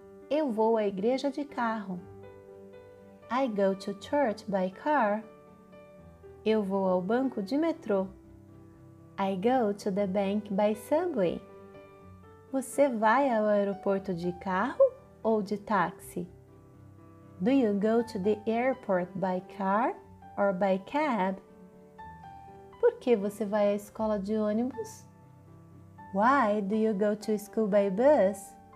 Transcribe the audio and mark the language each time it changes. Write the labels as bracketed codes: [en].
[pt] Eu vou à igreja de carro. [en] I go to church by car. [pt] Eu vou ao banco de metrô. [en] I go to the bank by subway. [pt] Você vai ao aeroporto de carro ou de táxi? [en] Do you go to the airport by car or by cab? [pt] Por que você vai à escola de ônibus? [en] Why do you go to school by bus?